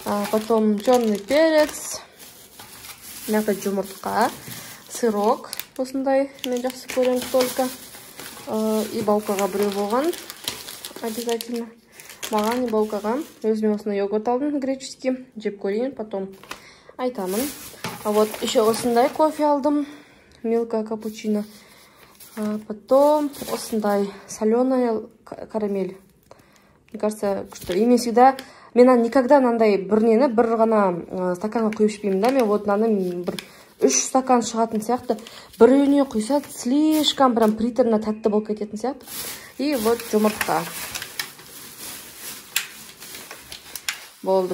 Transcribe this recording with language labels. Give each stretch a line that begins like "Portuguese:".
Russian: Потом черный перец. Мякоть жұмыртқа, сырок, осындай, мен жақсы көрем только.
Kazakh: И балкаға біреу болған, обязательно. Маған и балкаға, өзіме осындай йогурт алдым, греческий, жеп көрейін, потом айтамын. А вот еще осындай кофе алдым, милка капучино.
Russian: Потом осындай соленая карамель. Мне кажется, что имя всегда...
Kazakh: Мен никогда нандай бірнені бір ғана стаканға құйып ішпеймін, да, мен вот нанын бір үш стакан шығатын сияқты, біреуіне құйса слишком бірам притерна тәтті болып кететін сияқты. И вот жұмыртқа болды.